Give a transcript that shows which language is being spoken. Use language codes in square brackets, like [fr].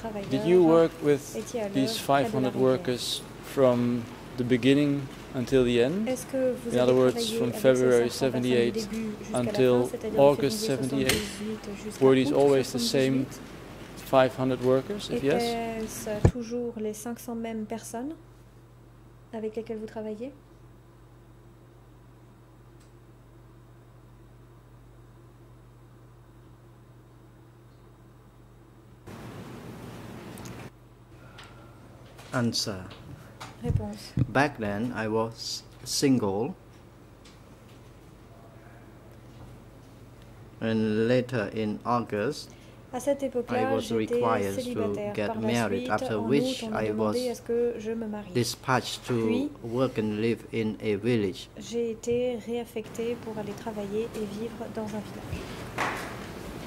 [en] Did you work with these 500 workers from the beginning until the end? In other words, from February 78 until August 78, were these always the same 500 workers, if yes? [fr] Est-ce toujours les 500 mêmes personnes avec lesquelles vous travaillez? [en] Answer. [fr] Réponse. [en] Back then, I was single. And later in August, [fr] à cette époque-là, [en] I was required to get married, after which I was dispatched to work and live in a village. [fr] J'ai été réaffectée pour aller travailler et vivre dans un village.